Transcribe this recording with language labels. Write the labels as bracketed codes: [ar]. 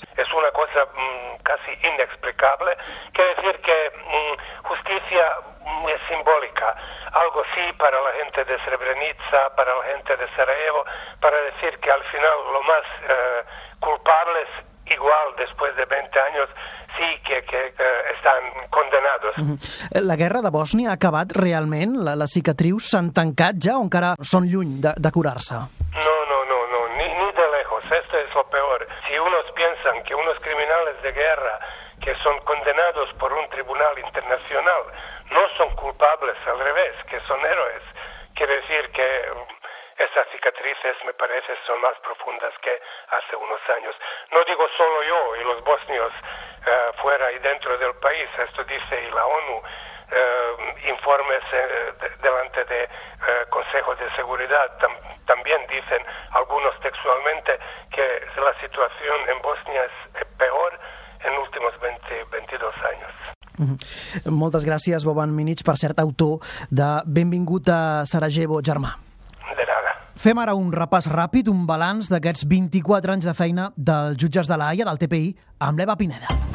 [es] Es una cosa casi inexplicable. Quiere decir que justicia es simbólica. Algo sí para la gente de Srebrenica, para la gente de Sarajevo, para decir que al final lo más culpables, igual después de 20 años, sí que están condenados. [ca] La guerra de Bòsnia ha acabat realment? Les cicatrius s'han tancat ja o encara són lluny de curar-se? [es] No, ni de lejos. Esto es lo peor. Si unos piensan que unos criminales de guerra que son condenados por un tribunal internacional no son culpables, al revés, que son héroes, quiere decir que esas cicatrices, me parece, son más profundas que hace unos años. No digo solo yo y los bosnios fuera y dentro del país, esto dice y la ONU, informes delante de Consejo de Seguridad también dicen algunos textualmente que la situación en Bosnia es peor en últimos 22 años. [ca] Moltes gràcies, Boban Minić, per cert, autor de Benvingut a Sarajevo, germà. Fem ara un repàs ràpid, un balanç d'aquests 24 anys de feina dels jutges de la Haia, del TPI, amb l'Eva Pineda.